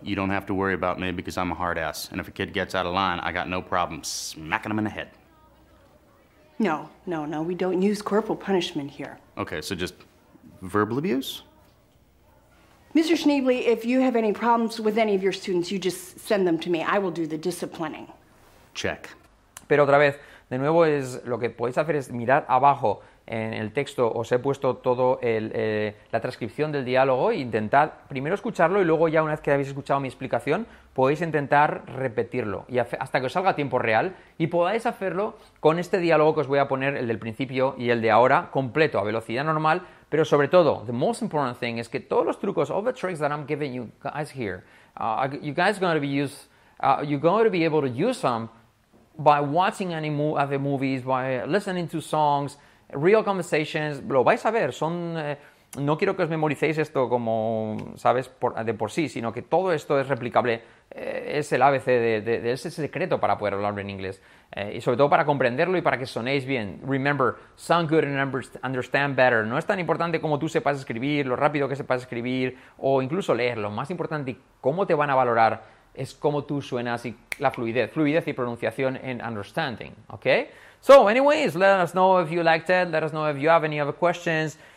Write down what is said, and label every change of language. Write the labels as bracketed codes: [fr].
[en] You don't have to worry about me because I'm a hard ass, and if a kid gets out of line, I got no problem smacking him in the head. No, we don't use corporal punishment here. Okay, so just verbal abuse? Mr. Schneebly, if you have any problems with any of your students, you just send them to me. I will do the disciplining. Check. [es] Pero otra vez, de nuevo, es lo que podéis hacer es mirar abajo en el texto. Os he puesto todo la transcripción del diálogo e intentad primero escucharlo y luego ya una vez que habéis escuchado mi explicación podéis intentar repetirlo y hasta que os salga a tiempo real y podáis hacerlo con este diálogo que os voy a poner, el del principio y el de ahora, completo, a velocidad normal. Pero sobre todo, [en] the most important thing is [es] que todos los trucos, [en] all the tricks that I'm giving you guys here, you're going to be able to use them by watching any of the movies, by listening to songs, Real conversations, [es] lo vais a ver, son... No quiero que os memoricéis esto como, ¿sabes?, de por sí, sino que todo esto es replicable, es el ABC, de ese secreto para poder hablar en inglés, y sobre todo para comprenderlo y para que sonéis bien. [en] Remember, sound good and understand better. [es] No es tan importante como tú sepas escribir, lo rápido que sepas escribir o incluso leer. Lo más importante, cómo te van a valorar, es cómo tú suenas y la fluidez, fluidez y pronunciación en understanding, ¿ok? [en] So, anyways, let us know if you liked it, let us know if you have any other questions.